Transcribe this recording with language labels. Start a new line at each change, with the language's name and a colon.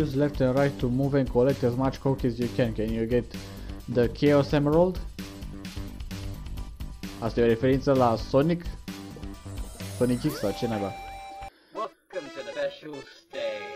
English: Use left and right to move and collect as much coke as you can. Can you get the Chaos Emerald?
Romanian: Asta e o referință la Sonic? Sonic X sau ce naiba?
English: Welcome to the special stay.